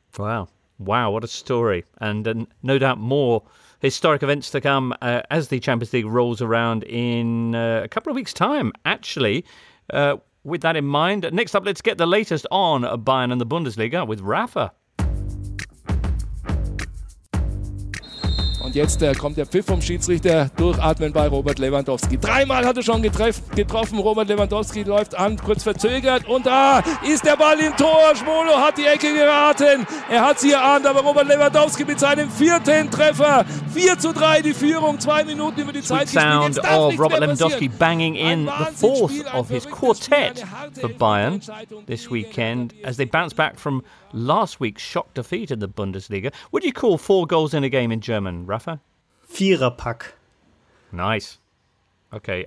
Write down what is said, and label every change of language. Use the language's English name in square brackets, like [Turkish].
[English] Wow. Wow, what a story. And no doubt more historic events to come as the Champions League rolls around in a couple of weeks' time, actually. With that in mind, next up, let's get the latest on Bayern and the Bundesliga with Rafa. [German] Und jetzt kommt der Pfiff vom Schiedsrichter, durchatmen bei Robert Lewandowski. Dreimal hat er schon getroffen, Robert Lewandowski läuft an, kurz verzögert und da ist der Ball im Tor. Schmolo hat die Ecke geraten, er hat sie geahnt, aber Robert Lewandowski mit seinem vierten Treffer, 4-3 die Führung, 2 Minuten über die [English] Sweet [German] Zeit gespielt. [English] Sound of Robert Lewandowski banging in the fourth of his quartet for Bayern this weekend as they bounce back from last week's shock defeat in the Bundesliga. What do you call 4 goals in a game in German, Rafa? [German] Viererpack. [English] Nice. Okay.